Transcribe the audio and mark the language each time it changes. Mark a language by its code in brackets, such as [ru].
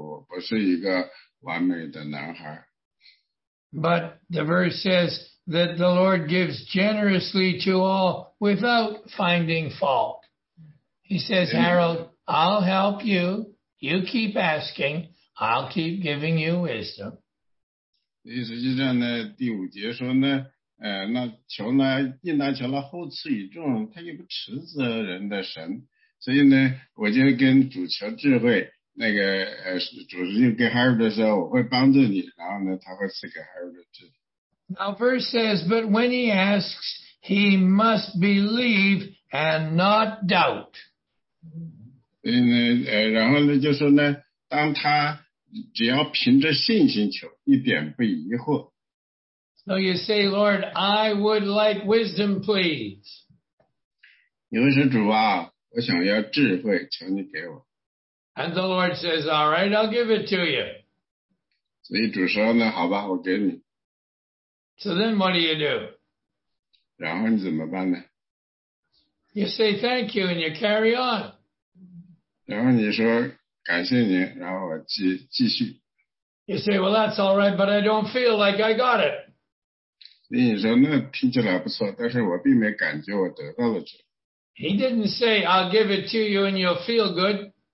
[zh] 所以他可能这么说呢，我不配得到这些，因为我不是一个完美的男孩。 [en] But the verse says that the Lord gives generously to all without finding fault. He says, Harold, I'll help you. You keep asking. I'll keep giving you wisdom. [zh] 所以实际上呢，第五节说呢，那求呢，应当求了厚赐与众人，他也不斥责人的神，所以呢，我就跟主求智慧，那个主就跟哈尔的时候，我会帮助你，然后呢，他会赐给哈尔的智慧。 [en] Now verse says, but when he asks, he must believe and not doubt. [zh] 所以呢，然后呢，就说呢，当他只要凭着信心求，一点不疑惑。 [en] So you say, Lord, I would like wisdom, please. [zh] 你会说主啊, 我想要智慧, [en] and the Lord says, all right, I'll give it to you. [zh] 所以主说呢, 好吧, [en] so then what do you do? [zh] 然后你怎么办呢? [en] You say thank you and you carry on. [zh] 然后你说感谢你,然后继续。 [en] You say, well, that's all right, but I don't feel like I got it. [zh] 所以你说那听起来不错,但是我并没感觉我得到了这。 [en] He didn't say, I'll give it to you and you'll feel good.